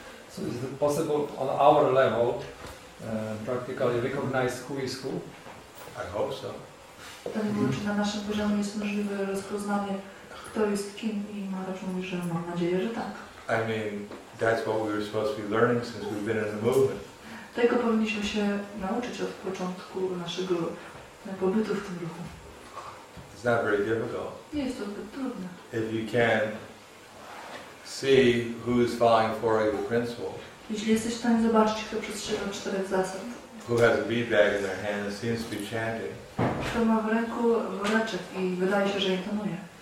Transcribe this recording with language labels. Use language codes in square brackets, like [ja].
[en] So is it possible on our level practically recognize who is who? I hope so. [pl] Na naszym poziomie jest możliwe rozpoznanie. To jest kim i Maharaj mówi, że mam nadzieję, że tak. [en] I mean, that's what we were supposed to be learning since we've been in the movement. [pl] Tego powinniśmy się nauczyć od początku naszego pobytu w tym ruchu. [en] It's not very difficult. [pl] Nie jest to zbyt trudne. [en] If you can see who is following for the principle. [pl] Jeśli jesteś w stanie zobaczyć, kto przestrzega czterech zasad. [en] Who has a bead bag in their hand and seems to be chanting. [pl] Kto ma w ręku woreczek i wydaje się, że intonuje.